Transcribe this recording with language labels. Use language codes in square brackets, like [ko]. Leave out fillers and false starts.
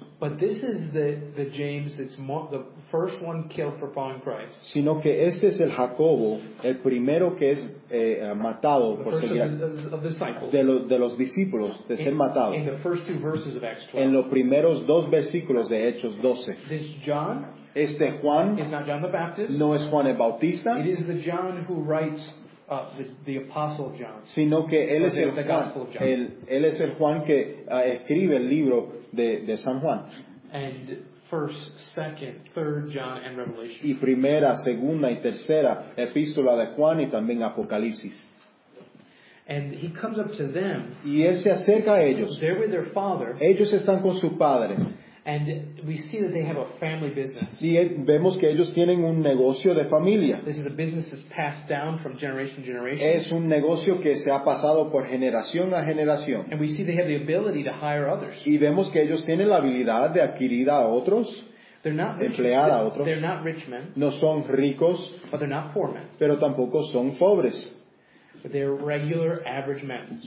[en] But this is the James that's the first one killed for following Christ. [es] Sino que este es el Jacobo, el primero que es matado [en] the [es] por seguir [en] of disciples. [es] De los discípulos, de ser matado. [en] In the first two verses of Acts 12. [es] En los primeros dos versículos de Hechos 12. [en] This John. [es] Este Juan [en] is not John the Baptist. [es] No es Juan el Bautista. [en] It is the John who writes the Apostle John. [es] Sino que él es [en] the Gospel of John. [es] Él es el Juan que escribe el libro de San Juan. [en] And first, second, third John and Revelation. [es] Y primera, segunda y tercera epístola de Juan y también Apocalipsis. [en] And he comes up to them. [es] Y él se acerca a ellos. [en] They're with their father. [es] Ellos están con su padre. [en] And we see that they have a family business. [es] Y vemos que ellos tienen un negocio de familia. [en] This is a business that's passed down from generation to generation. [es] Es un negocio que se ha pasado por generación a generación. [en] And we see they have the ability to hire others. [es] Y vemos que ellos tienen la habilidad de adquirir a otros. [en] They're not rich. [es] Emplear a otros. [en] They're not rich men. [es] No son ricos. [en] But they're not poor men. [es] Pero tampoco son pobres. [en] But they're regular, average men.